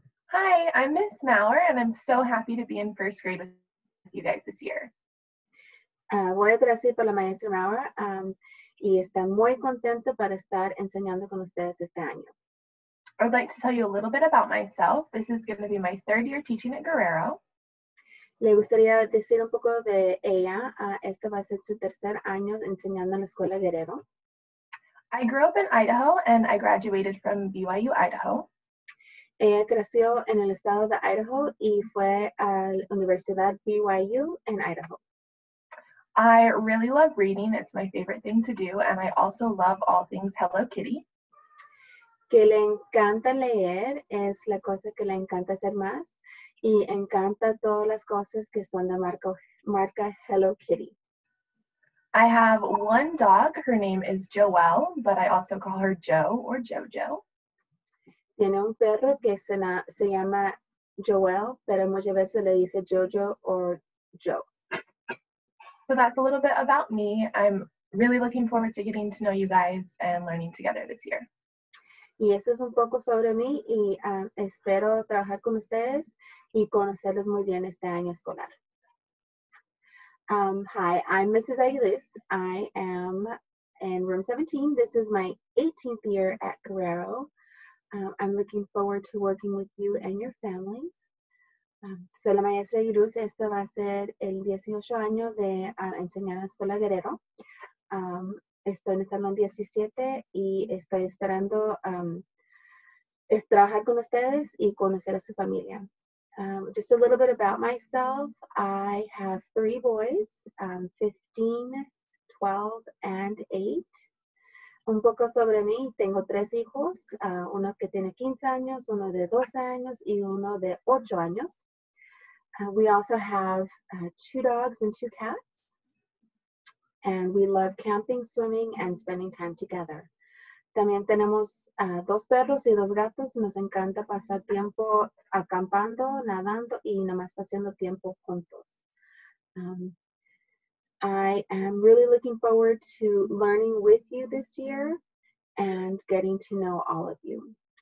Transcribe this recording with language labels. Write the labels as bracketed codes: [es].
[en] Hi, I'm Miss Maurer, and I'm so happy to be in first grade with you guys this year. [es] Voy a traducir para la maestra Maurer, y está muy contenta para estar enseñando con ustedes este año. [en] I'd like to tell you a little bit about myself. This is going to be my third year teaching at Guerrero. [es] Le gustaría decir un poco de ella. Este va a ser su tercer año enseñando en la escuela Guerrero. [en] I grew up in Idaho, and I graduated from BYU Idaho. [es] Ella creció en el estado de Idaho y fue a la Universidad BYU en Idaho. [en] I really love reading. It's my favorite thing to do. And I also love all things Hello Kitty. [es] Que le encanta leer es la cosa que le encanta hacer más. Y encanta todas las cosas que son de marca Hello Kitty. [en] I have one dog. Her name is Joelle, but I also call her Joe or Jojo. [es] Tiene un perro que se llama Joel, pero muchas veces le dice Jojo or Joe. [en] So that's a little bit about me. I'm really looking forward to getting to know you guys and learning together this year. [es] Y eso es un poco sobre mí y espero trabajar con ustedes y conocerlos muy bien este año escolar. [en] Hi, I'm Mrs. Aguilis. I am in room 17. This is my 18th year at Guerrero. I'm looking forward to working with you and your families. [es] Soy la maestra Iruz. Este va a ser el 18 año de enseñar a la escuela Guerrero. Estoy en el salón 17 y estoy esperando trabajar con ustedes y conocer a su familia. [en] Just a little bit about myself. I have three boys, 15, 12, and 8. [es] Un poco sobre mí, tengo tres hijos, uno que tiene 15 años, uno de 12 años y uno de 8 años. [en] We also have two dogs and two cats. And we love camping, swimming, and spending time together. [es] También tenemos dos perros y dos gatos. Nos encanta pasar tiempo acampando, nadando y nomás pasando tiempo juntos. [en] I am really looking forward to learning with you this year and getting to know all of you.